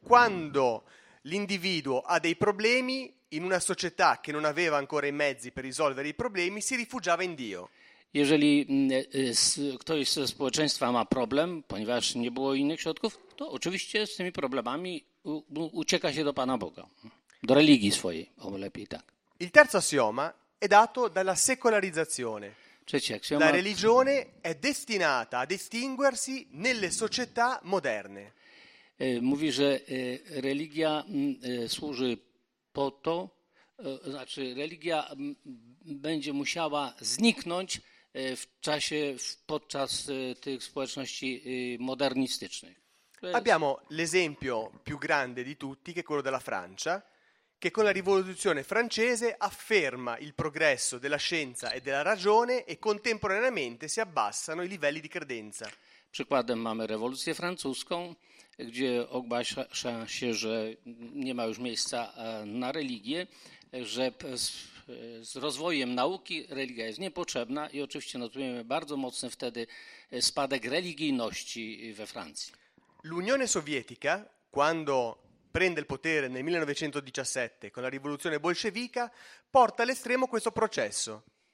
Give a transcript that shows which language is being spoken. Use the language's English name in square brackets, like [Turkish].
[Italian] Quando l'individuo ha dei problemi, in una società che non aveva ancora i mezzi per risolvere i problemi, si rifugiava in Dio. [Polish] Jeżeli ktoś ze społeczeństwa ma problem, ponieważ nie było innych środków, to oczywiście z tymi problemami ucieka się do Pana Boga, do religii swojej, o lepiej tak. [Italian] Il terzo assioma è dato dalla secolarizzazione. La religione è destinata a distinguersi nelle società moderne. [Polish] Mówi, że religia służy po to, znaczy religia będzie musiała zniknąć w czasie, podczas tych społeczności modernistycznych. [Italian] Abbiamo l'esempio più grande di tutti, che è quello della Francia, che con la rivoluzione francese afferma il progresso della scienza e della ragione e contemporaneamente si abbassano i livelli di credenza. [Polish] Przykładem mamy rewolucję francuską, gdzie ogłasza się, że nie ma już miejsca na religię, że z rozwojem nauki religia jest niepotrzebna i oczywiście notujemy bardzo mocny wtedy spadek religijności we Francji. [Italian] L'Unione Sovietica, quando prende il potere nel 1917 con la rivoluzione bolscevica, porta all'estremo questo processo.